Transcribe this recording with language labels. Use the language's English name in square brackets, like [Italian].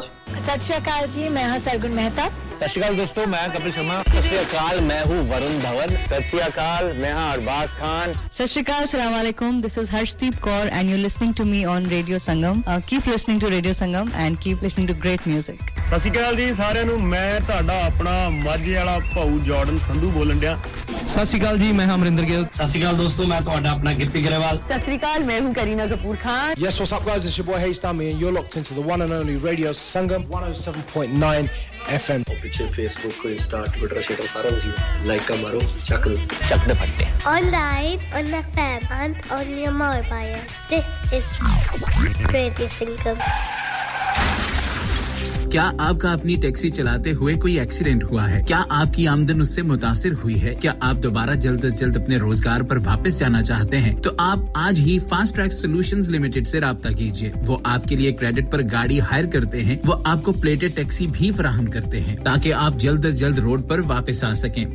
[Punjabi] सत श्री अकाल जी मैं हां सरगुण मेहता [Hindi] सत श्री अकाल दोस्तों मैं कपिल शर्मा सत श्री अकाल मैं हूं वरुण धवन [Punjabi] सत श्री अकाल मैं हां अरबाज खान [English] सत श्री अकाल अस्सलाम वालेकुम this is Harshdeep Kaur and you listening to me on radio Sangam keep listening to radio Sangam and keep listening to great music [Punjabi] सत श्री अकाल जी सारे नु मैं ਤੁਹਾਡਾ ਆਪਣਾ ਮਾਝੇ ਵਾਲਾ ਭਾਊ ਜਾਰਡਨ ਸੰਧੂ ਬੋਲਣ ਡਿਆ ਸਤ ਸ਼੍ਰੀ ਅਕਾਲ ਜੀ ਮੈਂ ਅਮਰਿੰਦਰ ਗਿੱਲ ਸਤ ਸ਼੍ਰੀ ਅਕਾਲ ਦੋਸਤੋ ਮੈਂ ਤੁਹਾਡਾ ਆਪਣਾ ਗਿੱਪੀ ਗਰੇਵਾਲ [Hindi] ਸਤ ਸ਼੍ਰੀ ਅਕਾਲ ਮੈਂ ਹੂੰ Kareena Kapoor Khan [English] yes what's up guys it's your boy Hesh Tami and you are locked into the one and only radio Sangam 107.9 FM [Punjabi] ਪਿੱਛੇ ਫੇਸਬੁੱਕ ਇੰਸਟਾਗ੍ਰਾਮ ਟਵਿੱਟਰ ਸ਼ੇਅਰ ਸਾਰਾ ਕੁਝ ਲਾਈਕ ਮਾਰੋ ਚੱਕ ਦੋ ਚੱਕ ਦੇ ਫੱਟੇ [English] online on the FM and on your mobile this is radio Sangam [Hindi] क्या आपका अपनी टैक्सी चलाते हुए कोई एक्सीडेंट हुआ है क्या आपकी आमदनी उससे मुतासिर हुई है क्या आप दोबारा जल्द से जल्द अपने रोजगार पर वापस जाना चाहते हैं तो आप आज ही फास्ट ट्रैक सॉल्यूशंस लिमिटेड से رابطہ कीजिए वो आपके लिए क्रेडिट पर गाड़ी हायर करते हैं वो आपको प्लेटेड टैक्सी भी प्रदान करते हैं ताकि आप जल्द से जल्द रोड पर वापस आ सकें